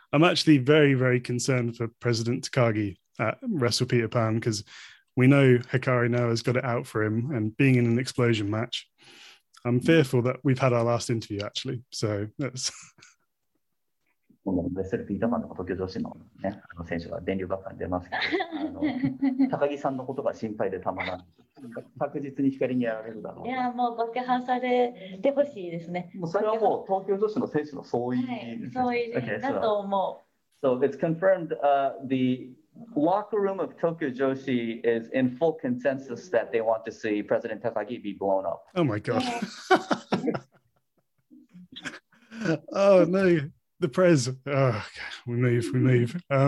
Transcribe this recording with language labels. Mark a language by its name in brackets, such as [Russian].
[English] I'm actually very, very concerned for President Takagi at Wrestle Peter Pan, because we know Hikari now has got it out for him, and being in an explosion match, I'm fearful that we've had our last interview, actually. So that's... [Japanese] ベセルピーターマンのこと、東京女子の、ね、あの選手が電流爆弾出ますけど、あの高木さんのことが心配でたまらない。確実に光にやられるだろう。いや、もう爆破されてほしいですね。もうそれはもう東京女子の選手の総意、はい、総意だと思う。 [English] Okay, so, so it's confirmed, the locker room of Tokyo Joshi is in full consensus that they want to see President Takagi be blown up. Oh my god. Oh no. The prez. Oh, we move, we move.